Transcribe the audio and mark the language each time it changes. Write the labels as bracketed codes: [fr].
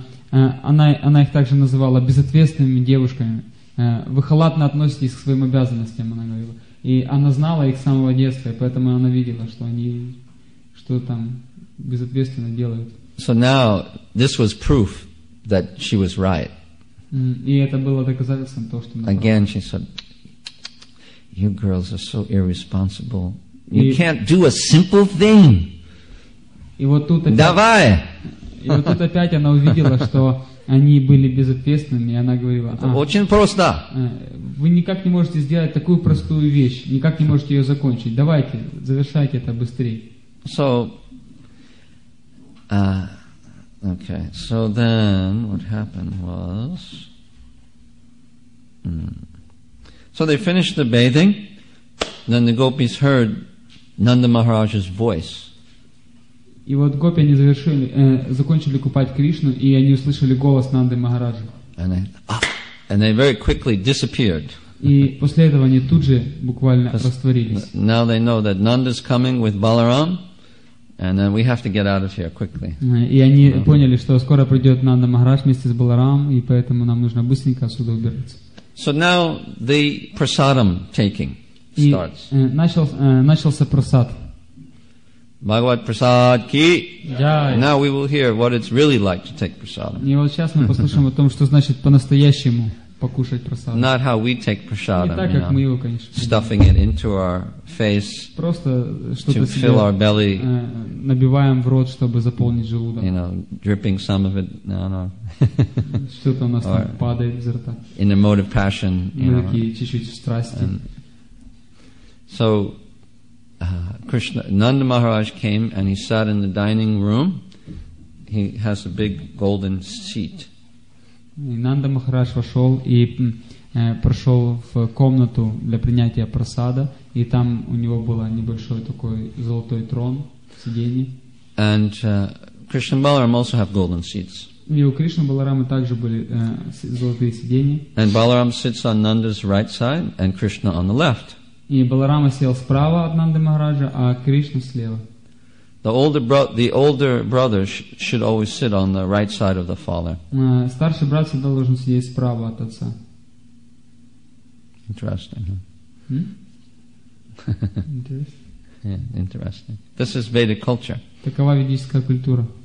[ru] Она их также называла безответственными девушками. Вы халатно относитесь к своим обязанностям, она говорила. И она знала их с самого детства, поэтому она видела, что они что там безответственно делают. [en] So now this was proof that she was right. [ru] И это было доказательством того, что она [en] Again, [ru] права. [en] She said, "You girls are so irresponsible." You can't do a simple thing. [ru] И вот тут опять, давай! И вот тут опять она увидела, что они были безответственными, и она говорила, это очень просто. Вы никак не можете сделать такую простую вещь, никак не можете ее закончить. Давайте, завершайте это быстрее. [en] So, okay. So then what happened was... So they finished the bathing, then the gopis heard Nanda Maharaj's voice. [ru] И вот гопи они завершили, закончили купать Кришну, и они услышали голос Нанды Махараджи. [en] And they very quickly disappeared. [ru] И после этого они тут же буквально растворились. [en] Now they know that Nanda's coming with Balaram, and then we have to get out of here quickly. [ru] И они поняли, что скоро придет Нанда Махарадж вместе с Баларам, и поэтому нам нужно быстренько отсюда убираться. [en] So now the prasadam taking starts. [ru] Начался прасад. [hi] Bhagavat prasad ki. Jai. [en] Now we will hear what it's really like to take prasadam. [ru] И вот сейчас мы послушаем о том, что значит по-настоящему покушать прасад. [en] Not how we take prasadam. [ru] Не так, как мы его, конечно. [en] Stuffing it into our face. [ru] Просто что-то [en] fill our belly. [ru] Набиваем в рот, чтобы заполнить желудок. [en] You know, dripping some of it. No, no. [ru] Что-то у нас там падает изо рта. [en] In a mode of passion. [ru] Мы такие чуть-чуть в страсти. [en] So. Krishna Nanda Maharaj came and he sat in the dining room. He has a big golden seat. [ru] Nanda Maharaj вошел и прошел в комнату для принятия прасада, и там у него было небольшой такой золотой трон, сиденье. [en] And Krishna and Balaram also have golden seats. [ru] И у Кришны Баларамы также были золотые сиденья. [en] And Balaram sits on Nanda's right side and Krishna on the left. [ru] И Баларама сел справа от Нанды Махараджа, а Кришна слева. [en] The older brother should always sit on the right side of the father. [ru] Старший брат всегда должен сидеть справа от отца. [en] Interesting. Interesting. Yeah, interesting. This is Vedic culture. [ru] Такова ведическая культура.